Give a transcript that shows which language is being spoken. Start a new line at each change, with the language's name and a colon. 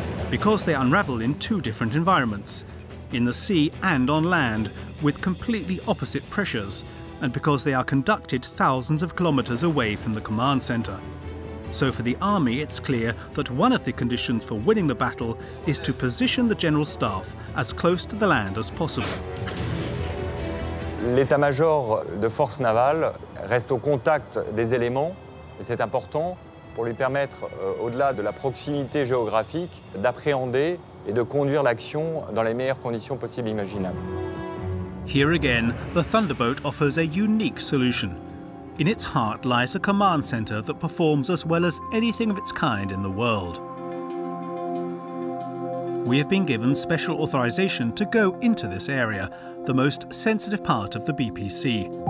English: Because they unravel in two different environments, in the sea and on land, with completely opposite pressures, and because they are conducted thousands of kilometers away from the command center. So for the army, it's clear that one of the conditions for winning the battle is to position the general staff as close to the land as possible.
French: L'état-major de force navale reste au contact des éléments, et c'est important pour lui permettre, au-delà de la proximité géographique, d'appréhender et de conduire l'action dans les meilleures conditions possibles imaginables.
English: Here again, the Thunderboat offers a unique solution. In its heart lies a command center that performs as well as anything of its kind in the world. We have been given special authorization to go into this area, the most sensitive part of the BPC.